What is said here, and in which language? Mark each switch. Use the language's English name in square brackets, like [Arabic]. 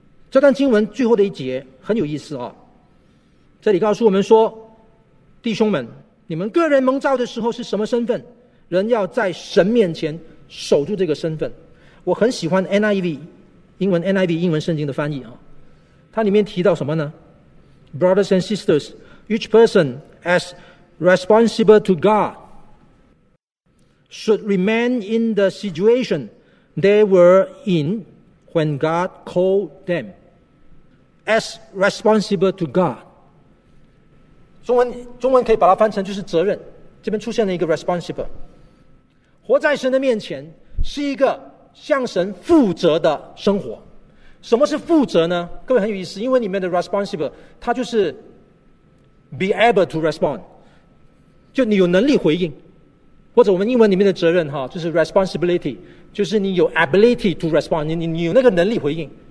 [Chinese] 这段经文最后的一节很有意思啊，这里告诉我们说，弟兄们，你们个人蒙召的时候是什么身份？人要在神面前守住这个身份。我很喜欢 NIV 英文 NIV 英文圣经的翻译啊，它里面提到什么呢？ [English] Brothers and sisters, each person as responsible to God should remain in the situation they were in when God called them. As responsible to God. [Chinese] 中文可以把它翻成就是责任。这边出现了一个 responsible。活在神的面前是一个向神负责的生活。什么是负责呢？各位很有意思，因为里面的 responsible 它就是 [English] be able to respond， [Chinese] 就你有能力回应，或者我们英文里面的责任哈，就是 responsibility， 就是你有 [English] ability to respond， [Chinese] 你有那个能力回应。